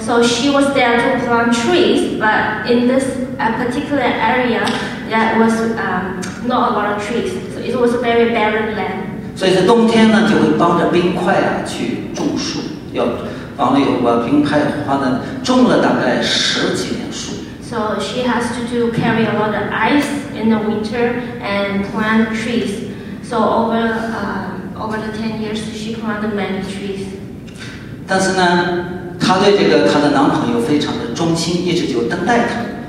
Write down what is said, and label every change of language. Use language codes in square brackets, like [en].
[en] So she was there to plant trees, but in this particular area, there was not a lot of trees. So it was very barren land. [zh] 所以在冬天呢，就会帮着冰块啊去种树，要帮了有个冰块的话呢，种了大概十几年树。 [en] So she has to do carry a lot of ice in the winter and plant trees. So over the 10 years, she planted many trees. [zh] 但是呢，她对这个她的男朋友非常的忠心，一直就等待他。